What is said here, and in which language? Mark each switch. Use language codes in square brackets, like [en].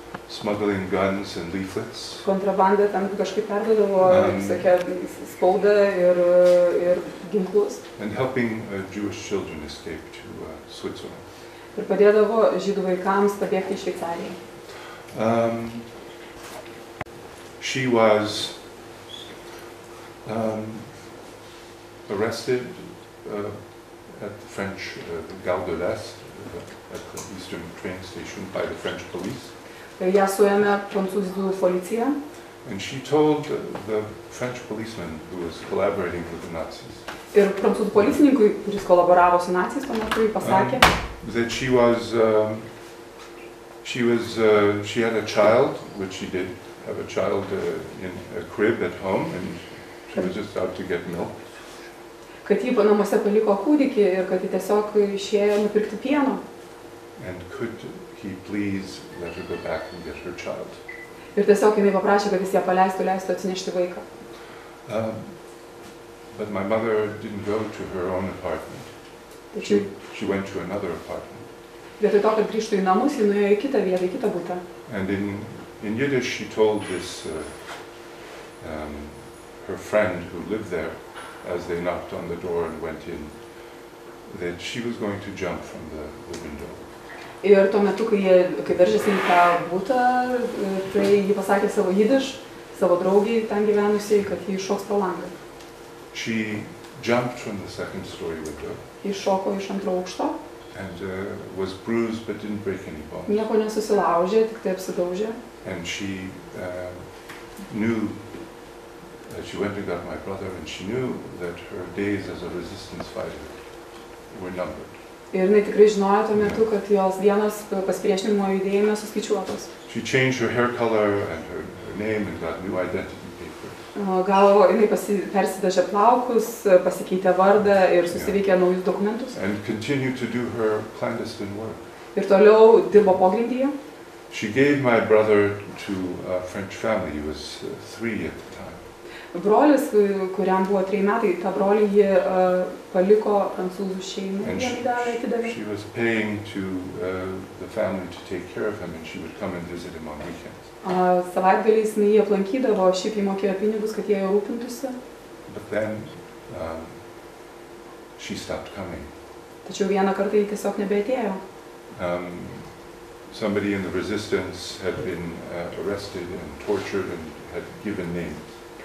[en] Smuggling guns and leaflets. [lt] Kontrabanda tam kažkaip perdavo, sakė, spaudą ir ginklus. [en] And helping Jewish children escape to Switzerland. [lt] Ir padėdavo žydų vaikams pabėgti į Šveicariją. [en] She was arrested at the French Gare de l'Est, at the eastern train station by the French police. [lt] Ją suėmė prancūzų policija. [en] And she told the French policeman who was collaborating with the Nazis. [lt] Ir prancūzų policininkui, kuris kolaboravo su naciais, pamatui pasakė, [en] that she had a child, which she did have a child in a crib at home, and she was just out to get milk. [lt] Kad ji namuose paliko kūdikį ir kad ji tiesiog išėjo nupirkti pieno. [en] And could he please let her go back and get her child? [lt] Ir tiesiog jinai paprašė, kad jis ją leistų atsinešti vaiką. [en] But my mother didn't go to her own apartment. She went to another apartment. [lt] Vietoj to, kad grįžtų į namus, ji nuėjo į kitą vietą, į kitą butą. [en] And in Yiddish she told this her friend who lived there, as they knocked on the door and went in, that she was going to jump from the window. [lt] Ir tuo metu, kai veržėsi į tą butą, tai ji pasakė savo jidiš, savo draugį ten gyvenusiai, kad ji iššoks pro langą. [en] She jumped from the second story window. [lt] Iššoko iš antro aukšto. [en] And was bruised but didn't break any bones. [lt] Nieko nesusilaužė, tik tai apsidaužė. [en] And she knew that she went and got my brother, and she knew that her days as a resistance fighter were numbered. [lt] Ir jinai tikrai žinojo tuo metu, kad jos dienos pasipriešinimo judėjime suskaičiuotos. [en] She changed her hair color and her name and got new identity papers. [lt] Galvo, jinai persidažė plaukus, pasikeitė vardą ir susiveikė naujus dokumentus. [en] And continued to do her clandestine work. [lt] Ir toliau dirbo pogrindyje. [en] She gave my brother to a French family. He was three at the time. [lt] Brolis, kuriam buvo 3 metai, tą brolį ji paliko prancūzų šeimai, [en] she was paying to the family to take care of him, and she would come and visit him on weekends. [lt] Savaitgaliais jį aplankydavo, šiaip jį mokėjo pinigus, kad jie jau rūpintųsi. [en] But then she stopped coming. [lt] Tačiau vieną kartą jį tiesiog nebeatėjo. [en] Somebody in the resistance had been arrested and tortured and had given names.